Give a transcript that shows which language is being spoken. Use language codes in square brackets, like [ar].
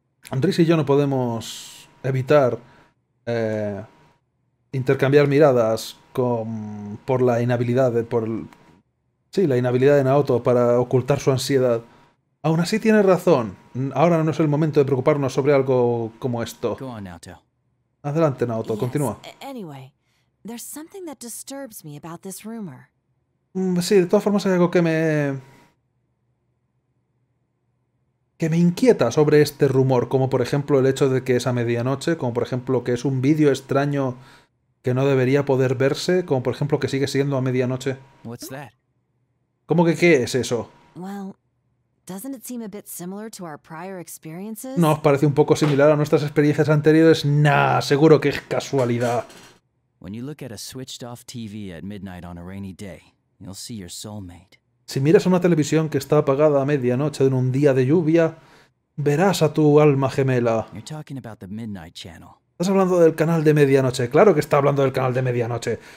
[es] Andrés y yo no podemos evitar intercambiar miradas por la inhabilidad de Naoto para ocultar su ansiedad. Aún así tiene razón. Ahora no es el momento de preocuparnos sobre algo como esto. Adelante, Naoto, continúa. [en] Anyway, there's something that disturbs me about this rumor. [es] Sí, de todas formas hay algo que me inquieta sobre este rumor, como por ejemplo el hecho de que es a medianoche, como por ejemplo que es un vídeo extraño que no debería poder verse, como por ejemplo que sigue siendo a medianoche. [en] What's that? [es] ¿Cómo que qué es eso? [en] Well, doesn't it seem a bit similar to our prior experiences? [es] ¿No os parece un poco similar a nuestras experiencias anteriores? Nah, seguro que es casualidad. [en] When you look at a switched off TV at midnight on a rainy day, you'll see your soulmate. [es] Si miras una televisión que está apagada a medianoche en un día de lluvia, verás a tu alma gemela. Estás hablando del canal de medianoche. Claro que está hablando del canal de medianoche.